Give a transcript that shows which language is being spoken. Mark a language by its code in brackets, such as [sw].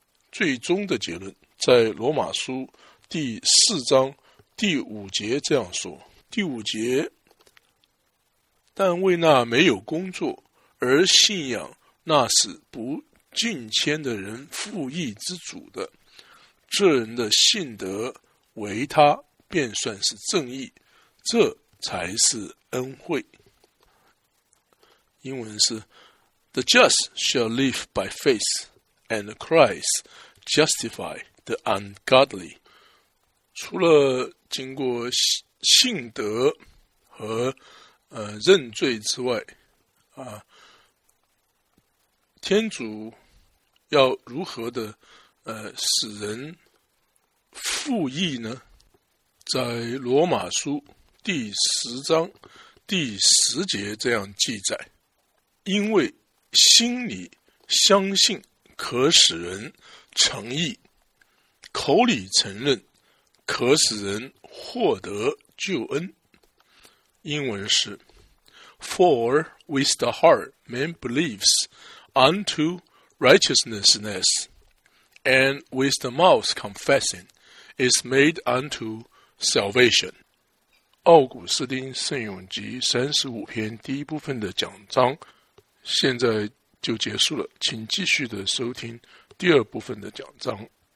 [zh] 最终的结论在罗马书第四章第五节这样说，第五节，但为那没有工作而信仰那是不敬虔的人复义之主的，这人的信德为他便算是正义，这才是恩惠。 [en] 英文是 The just shall live by faith, and Christ justify the ungodly. [zh] 除了经过信德和认罪之外，天主要如何的使人复义呢？在罗马书第十章第十节这样记载，因为心里相信可使人诚意，口里承认可使人获得救恩。 [en] 英文是 For with the heart man believes unto righteousness, and with the mouth confessing is made unto salvation. [zh] 奥古斯丁圣咏集35篇第一部分的讲章现在就结束了，请继续的收听第二部分的讲章。